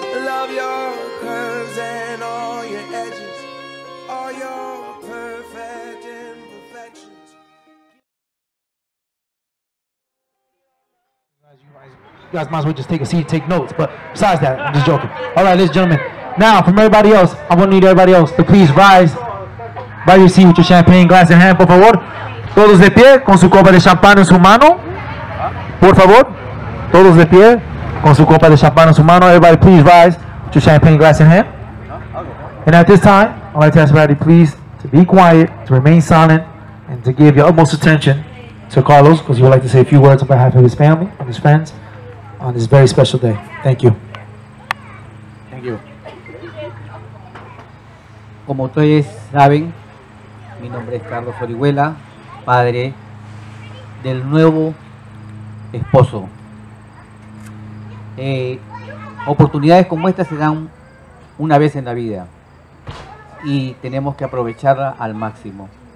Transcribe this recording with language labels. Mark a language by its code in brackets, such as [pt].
[en] Love your curves and all your edges, all your perfect imperfections. You guys might as well just take a seat and take notes. But besides that, I'm just joking. All right, ladies and gentlemen. Now, from everybody else, I want to need everybody else to please rise by your seat with your champagne glass in hand, por favor. [es] Todos de pie con su copa de champán en su mano. Por favor. Todos de pie con su copa de champán en su mano. [en] Everybody, please rise with your champagne glass in hand. And at this time, I'd like to ask everybody, please, to be quiet, to remain silent, and to give your utmost attention to Carlos, because he would like to say a few words on behalf of his family and his friends on this very special day. Thank you. Thank you. [es] Como ustedes saben, mi nombre es Carlos Orihuela, padre del nuevo esposo. Oportunidades como esta se dan una vez en la vida y tenemos que aprovecharla al máximo.